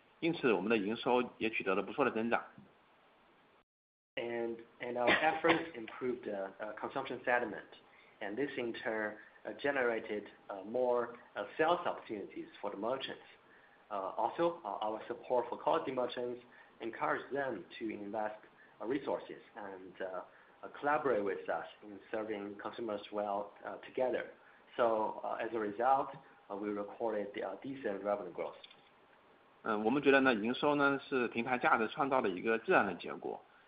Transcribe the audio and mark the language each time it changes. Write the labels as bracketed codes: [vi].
[zh] 通过我们的努力呢，提升了这个平台用户的消费热情，这也让商家看到了更多的销售机会。同时呢，我们对优质商家的支持，也让他们更加的愿意投入资源，和我们一起呢，共同服务好消费者。因此，我们的营收也取得了不错的增长。 [en] And our efforts improved consumption sentiment, and this in turn generated more sales opportunities for the merchants. Also, our support for quality merchants encouraged them to invest resources and collaborate with us in serving consumers well together. So as a result, we recorded decent revenue growth. [zh] 我们觉得呢，营收呢是平台价值创造的一个自然的结果。